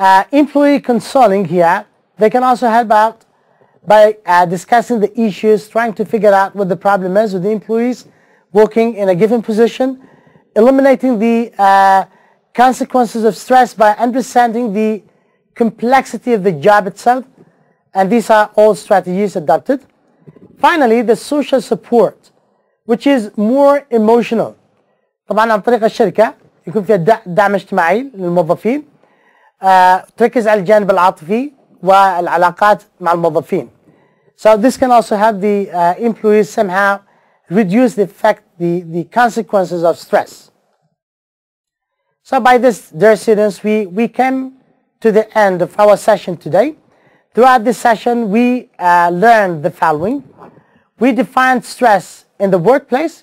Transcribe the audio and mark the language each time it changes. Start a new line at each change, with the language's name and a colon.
English: Employee consulting here, they can also help out by discussing the issues, trying to figure out what the problem is with the employees working in a given position, eliminating the consequences of stress by understanding the complexity of the job itself, and these are all strategies adopted. Finally, the social support, which is more emotional.
Arabic: طبعاً عن طريق الشركة يكون فيها دعم اجتماعي للموظفين. تركز على الجانب العاطفي والعلاقات مع الموظفين.
English: So this can also help the employees somehow reduce the effect, the consequences of stress. So by this, dear students, we came to the end of our session today. Throughout this session, we learned the following. We defined stress in the workplace.